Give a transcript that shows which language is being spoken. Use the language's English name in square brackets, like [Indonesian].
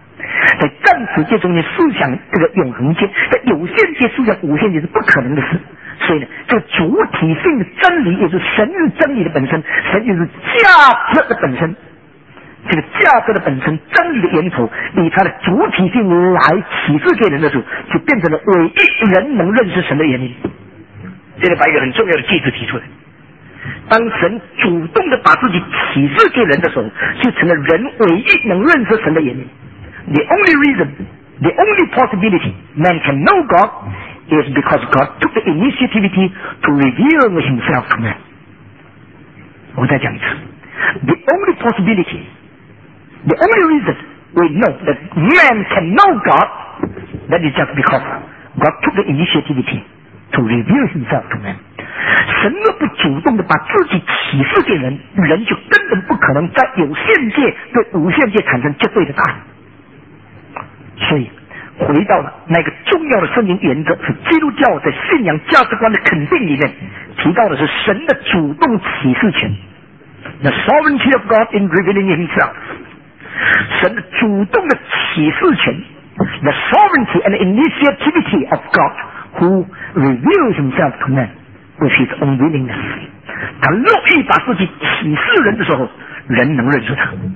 [Chinese] 在暂时界中间思想这个永恒界，在有限界思想无限界是不可能的事，所以呢，这个主体性的真理也是神是真理的本身，神就是价值的本身，这个价值的本身真理的源头以它的主体性来启示给人的时候，就变成了唯一人能认识神的原因。这里把一个很重要的句子提出来，当神主动的把自己启示给人的时候，就成了人唯一能认识神的原因。 [English] The only reason, the only possibility man can know God is because God took the initiativity to reveal himself to man. [Chinese] 我再讲一次。 [English] The only possibility, the only reason we know that man can know God, that is just because God took the initiativity to reveal himself to man. [Chinese] 神若不主动地把自己启示给人，人就根本不可能在有限界对无限界产生绝对的答案。所以回到了那个重要的圣经原则，是基督教的信仰价值观的肯定里面提到的是神的主动启示权， [English] The sovereignty of God in revealing himself， [Chinese] 神的主动的启示权， [English] The sovereignty and initiativity of God who reveals himself to man with his own willingness， [Chinese] 他乐意把自己启示人的时候人能认识他。